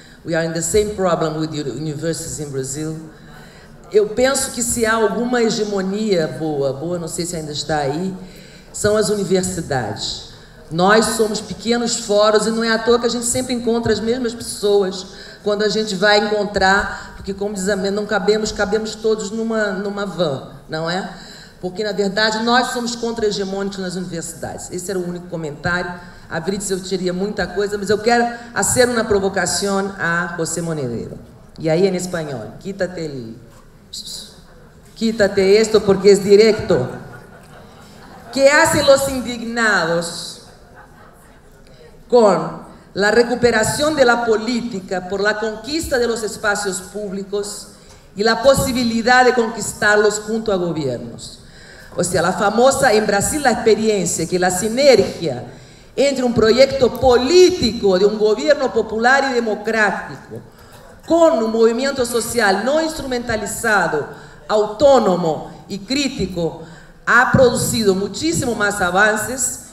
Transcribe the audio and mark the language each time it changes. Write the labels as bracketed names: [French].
[English] We are in the same problem with the universities in Brazil. [Portuguese] Eu penso que se há alguma hegemonia boa, não sei se ainda está aí, são as universidades. Nós somos pequenos fóruns e não é à toa que a gente sempre encontra as mesmas pessoas quando a gente vai encontrar, porque, como diz a Mena, não cabemos todos numa van, não é? Porque, na verdade, nós somos contra-hegemônicos nas universidades. Esse era o único comentário. A Vritz, eu teria muita coisa, mas eu quero fazer uma provocação a José Monereiro. E aí, em espanhol, [Spanish] quítate [Portuguese] isto porque é directo. [Spanish] ¿Qué hacen los indignados con la recuperación de la política por la conquista de los espacios públicos y la posibilidad de conquistarlos junto a gobiernos? O sea, la famosa en Brasil la experiencia que la sinergia entre un proyecto político de un gobierno popular y democrático con un movimiento social no instrumentalizado, autónomo y crítico ha producido muchísimo más avances.